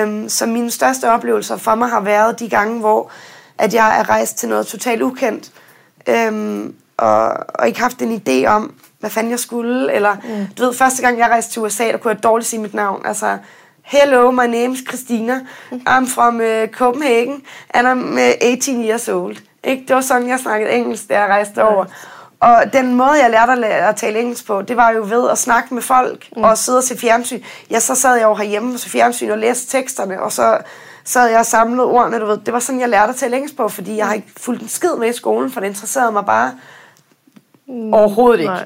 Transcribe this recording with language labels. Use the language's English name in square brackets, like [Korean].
[Danish] Så mine største oplevelser for mig har været de gange, hvor at jeg er rejst til noget totalt ukendt, og ikke haft en idé om, hvad fanden jeg skulle, eller du ved, første gang jeg rejste til USA, der kunne jeg dårligt sige mit navn, altså... [English] Hello, my name is Christina. I'm from Copenhagen, and I'm 18 years old. [Danish] Ikke? Det var sådan, jeg snakkede engelsk, da jeg rejste over. Og den måde, jeg lærte at tale engelsk på, det var jo ved at snakke med folk og sidde og se fjernsyn. Ja, så sad jeg over herhjemme og se fjernsyn og læste teksterne, og så sad jeg og samlede ordene, du ved. Det var sådan, jeg lærte at tale engelsk på, fordi jeg har ikke fulgt en skid med i skolen, for det interesserede mig bare overhovedet ikke. Nej.